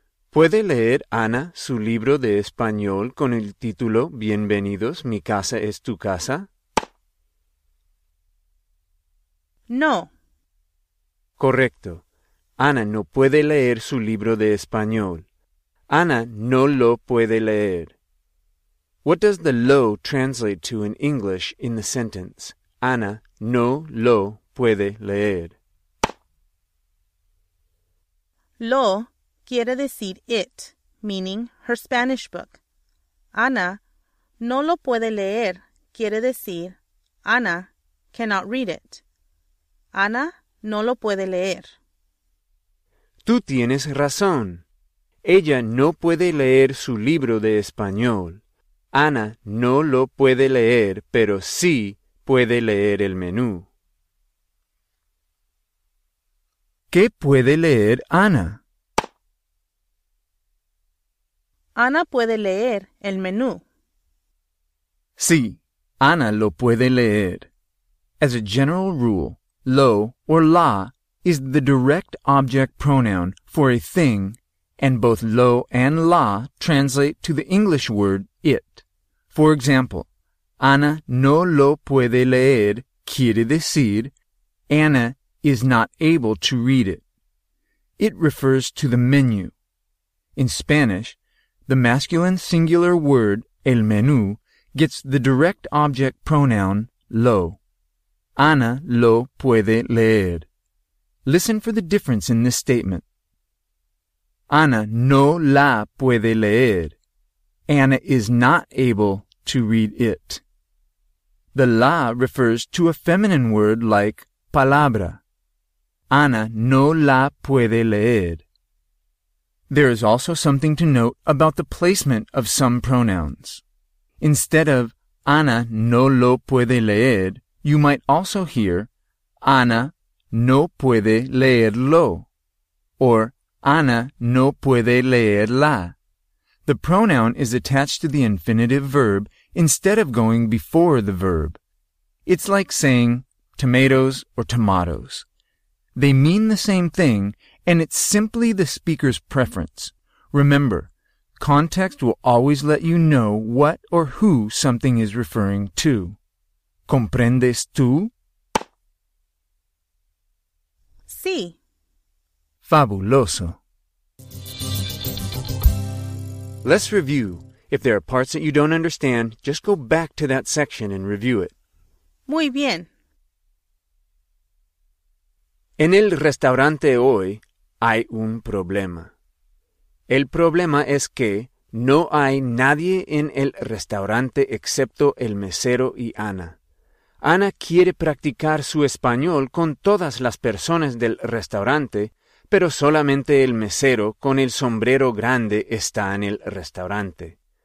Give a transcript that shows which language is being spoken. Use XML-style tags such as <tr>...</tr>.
<es>¿Puede leer Ana su libro de español con el título Bienvenidos, mi casa es tu casa? No. Correcto. Ana no puede leer su libro de español. Ana no lo puede leer.</es> <en>What does the lo translate to in English in the sentence?</en> <es>Ana no lo puede leer. Lo quiere decir</es> <en>it, meaning her Spanish book.</en> <es>Ana no lo puede leer quiere decir</es> <en>Ana cannot read it.</en> <es>Ana no lo puede leer. Tú tienes razón. Ella no puede leer su libro de español. Ana no lo puede leer, pero sí puede leer el menú. ¿Qué puede leer Ana? Ana puede leer el menú. Sí, Ana lo puede leer.</es> <en>As a general rule, lo or la is the direct object pronoun for a thing, and both lo and la translate to the English word it. For example,</en> <es>Ana no lo puede leer, quiere decir,</es> <en>Anna is not able to read it. It refers to the menu. In Spanish, the masculine singular word, el menú, gets the direct object pronoun, lo.</en> <es>Ana lo puede leer.</es> <en>Listen for the difference in this statement.</en> <es>Ana no la puede leer.</es> <en>Anna is not able to read it. The la refers to a feminine word like palabra.</en> <es>Ana no la puede leer.</es> <en>There is also something to note about the placement of some pronouns. Instead of</en> <es>Ana no lo puede leer,</es> <en>you might also hear</en> <es>Ana no puede leerlo</es> <en>or</en> <es>Ana no puede leerla.</es> <en>The pronoun is attached to the infinitive verb instead of going before the verb. It's like saying tomatoes or tomatoes. They mean the same thing, and it's simply the speaker's preference. Remember, context will always let you know what or who something is referring to.</en> <es>¿Comprendes tú? Sí. Fabuloso.</es> <en>Let's review. If there are parts that you don't understand, just go back to that section and review it.</en> <es>Muy bien. En el restaurante hoy hay un problema. El problema es que no hay nadie en el restaurante excepto el mesero y Ana. Ana quiere practicar su español con todas las personas del restaurante, pero solamente el mesero con el sombrero grande está en el restaurante.</es>